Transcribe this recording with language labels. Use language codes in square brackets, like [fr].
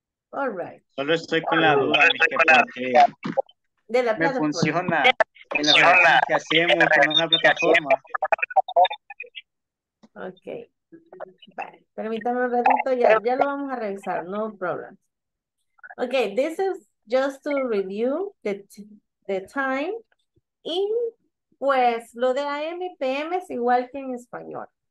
[en] All right. [es] Solo estoy con la duda de que de la me funciona en la forma que hacemos con una plataforma. Ok. Vale. Permítame un ratito, ya lo vamos a revisar. [en] No problem. Ok, this is just to review the time. [es] Y pues lo de AM y PM es igual que en español.